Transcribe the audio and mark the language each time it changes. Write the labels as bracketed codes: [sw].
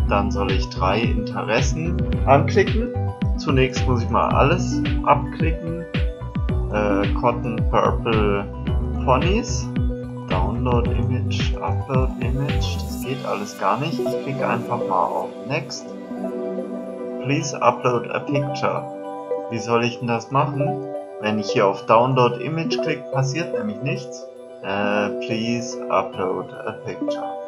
[de] Dann soll ich drei Interessen anklicken. Zunächst muss ich mal alles abklicken. [en] Cotton Purple Ponys. Download Image, Upload Image. [de] Das geht alles gar nicht. Ich klicke einfach mal auf Next. [en] Please upload a picture. [de] Wie soll ich denn das machen? Wenn ich hier auf Download Image klicke, passiert nämlich nichts. [en] Please upload a picture.